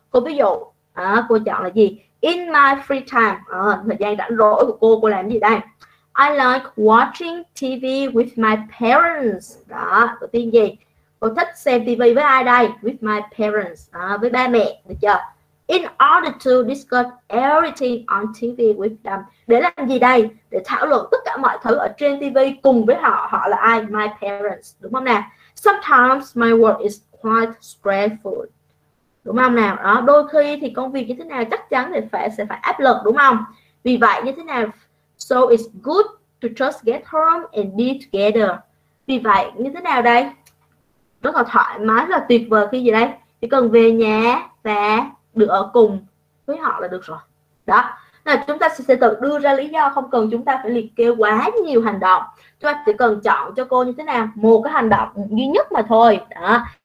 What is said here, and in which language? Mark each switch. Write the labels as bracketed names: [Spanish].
[Vietnamese] Cô ví dụ, cô chọn là gì? [English] In my free time, [Vietnamese] thời gian rảnh rỗi của cô làm gì đây? [English] I like watching TV with my parents. [Vietnamese] Đó, cô tin gì? Cô thích xem TV với ai đây? [English] With my parents, [Vietnamese] với ba mẹ, được chưa? [English] In order to discuss everything on TV with them. [Vietnamese] Để làm gì đây? Để thảo luận tất cả mọi thứ ở trên TV cùng với họ. Họ là ai? [English] My parents, [Vietnamese] đúng không nào? [English] Sometimes my work is quite stressful. [Vietnamese] Đúng không nào? Đó, đôi khi thì công việc như thế nào chắc chắn thì sẽ phải áp lực, đúng không? Vì vậy như thế nào? [English] So it's good to just get home and be together. [Vietnamese] Vì vậy như thế nào đây? Rất là thoải mái, rất là tuyệt vời khi gì đây? Chỉ cần về nhà và được ở cùng với họ là được rồi. Đó. Nên chúng ta sẽ tự đưa ra lý do, không cần chúng ta phải liệt kê quá nhiều hành động. Chúng ta chỉ cần chọn cho cô như thế nào, một cái hành động duy nhất mà thôi. Đó.